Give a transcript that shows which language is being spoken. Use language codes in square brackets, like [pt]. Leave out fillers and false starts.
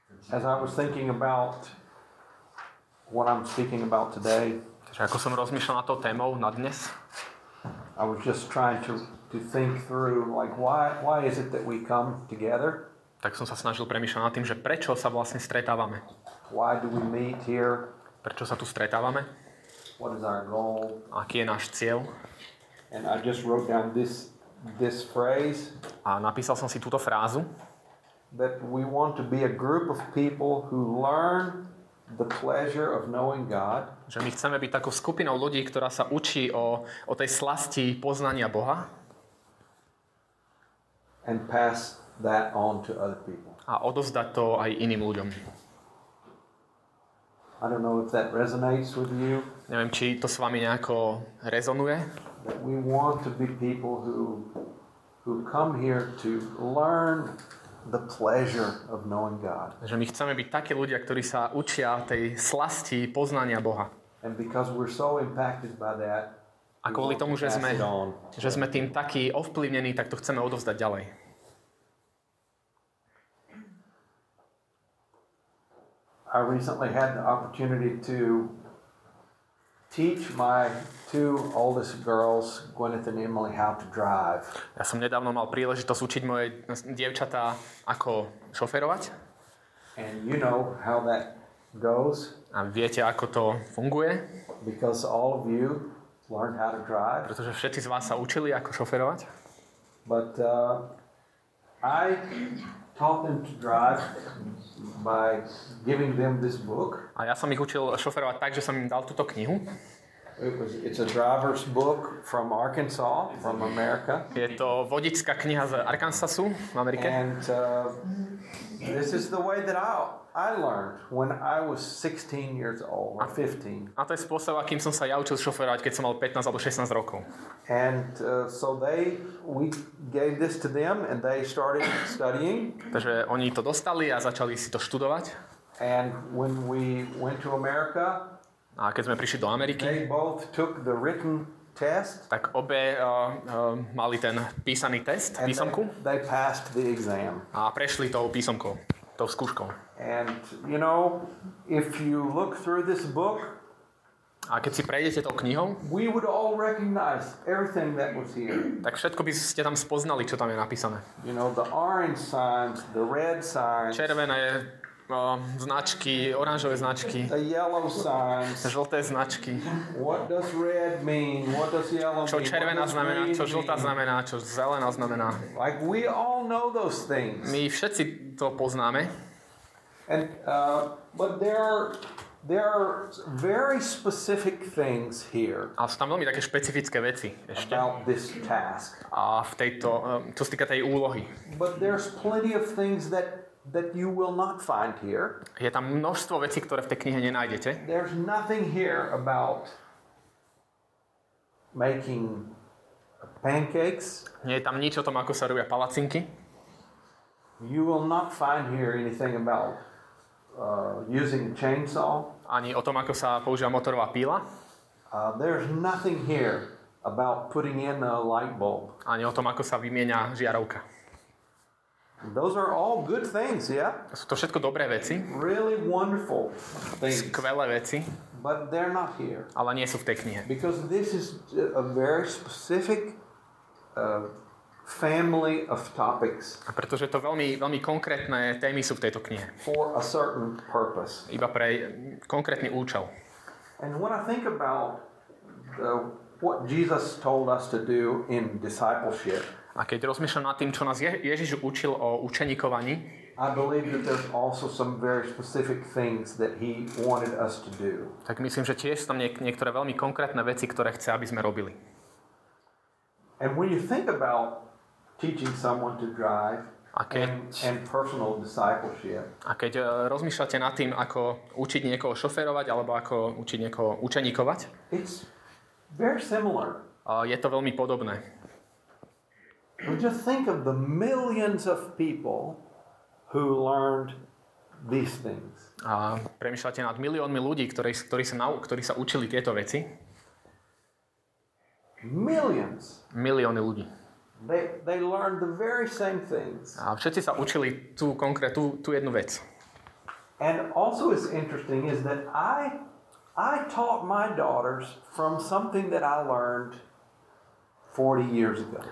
[en] As I was thinking about what I'm speaking about today, [sk] ako som rozmýšľal na tou témou na dnes, [en] I was just trying to think through like why is it that we come together? [sk] Tak som sa snažil premýšľať nad tým, že prečo sa vlastne stretávame. [en] Why do we meet here? [sk] Prečo sa tu stretávame? [en] What is our goal? [sk] Aký je náš cieľ? [en] And I just wrote down this phrase. [sk] A napísal som si túto frázu. [en] That we want to be a group of people who learn the pleasure of knowing God. [sk] Že my chceme byť takou skupinou ľudí, ktorá sa učí o tej slasti poznania Boha. [en] And pass that on to other people. [sk] A odovzdať to aj iným ľuďom. [en] I don't know if that resonates with you. [sk] Neviem, či to s vami nejako rezonuje. [en] That we want to be people who come here to learn the pleasure of knowing God. [sk] Že my chceme byť takí ľudia, ktorí sa učia tej slasti poznania Boha. [en] And because we're so impacted by that. [sk] A kvôli tomu, že sme tým takí ovplyvnení, tak to chceme odovzdať ďalej. [en] I recently had the opportunity to teach my two oldest girls, Gwyneth and Emily, how to drive. [sk] Ja som nedávno mal príležitosť učiť moje dievčatá ako šoférovať. [en] And you know how that goes. [sk] A viete, ako to funguje? [en] Because all of you learned how to drive. [sk] Pretože všetci z vás sa učili ako šoférovať. [en] But I taught them to drive by giving them this book. [sk] A ja som ich učil šoférovať tak, že som im dal túto knihu. [en] It's a driver's book from Arkansas, from America. [sk] Je to vodičská kniha z Arkansasu v Amerike. [en] And this is the way that I learned when I was 16 years old, or 15. [sk] A to je spôsob, akým som sa ja učil šoférovať, keď som mal 15 alebo 16 rokov. [en] And so we gave this to them and they started studying. [sk] Takže oni to dostali a začali si to študovať. [en] And when we went to America, [sk] a keď sme prišli do Ameriky, [en] they both took the written test. [sk] Tak obe mali ten písaný test, písomku. [en] They passed the exam. [sk] A prešli tou písomkou, tou skúškou. [en] And you know, if you look through this book, [sk] a keď si prejdete tou knihou, [en] we would all recognize everything that was here. [sk] Tak všetko by ste tam spoznali, čo tam je napísané. [en] You know, the orange signs, the red signs. [sk] Červené značky, oranžové značky. [en] The yellow signs. [sk] Žlté značky. [en] What does red mean? What does yellow mean? [sk] Čo červená znamená, čo žltá znamená, čo zelená znamená. [en] Like we all know those things. [sk] My všetci to poznáme. [en] And but there are very specific things here. [sk] A sú tam veľmi také špecifické veci ešte. [en] About this task. [sk] A v tejto, čo sa týka tej úlohy. [en] But there's plenty of things that you will not find here. [sk] Je tam množstvo vecí, ktoré v tej knihe nenájdete. [en] There's nothing here about making pancakes. [sk] Nie je tam nič o tom, ako sa robia palacinky. [en] You will not find here anything about using a chainsaw. [sk] Ani o tom, ako sa používa motorová píla. [en] There's nothing here about putting in a light bulb. [sk] Ani o tom, ako sa vymieňa žiarovka. [en] Those are all good things, yeah? [sk] Sú to všetko dobré veci. [en] Really wonderful things. [sk] Skvelé veci. [en] But they're not here. [sk] Ale nie sú v tej knihe. [en] Because this is a very specific family of topics. [sk] A pretože to veľmi, veľmi konkrétne témy sú v tejto knihe. [en] For a certain purpose. [sk] Iba pre konkrétny účel. [en] And when I think about what Jesus told us to do in discipleship, [sk] a keď rozmýšľam nad tým, čo nás Ježiš učil o učenikovaní, [en] I believe that there's also some very specific things that he wanted us to do. [sk] Tak myslím, že tiež sú tam niektoré veľmi konkrétne veci, ktoré chce, aby sme robili. [en] And when you think about teaching someone to drive and personal discipleship. [sk] A keď rozmýšľate nad tým, ako učiť niekoho šoférovať alebo ako učiť niekoho učenikovať, [en] it's very similar. [sk] Je to veľmi podobné. [en] Well, just think of the millions of people who learned these things. [sk] A premýšľate nad miliónmi ľudí, ktorí sa učili tieto veci. [en] Millions. [sk] Milióny ľudí. [en] They learned the very same things. [sk] A všetci sa učili tú jednu vec. [en] And also is interesting is that I taught my daughters from something that I learned 40 years ago.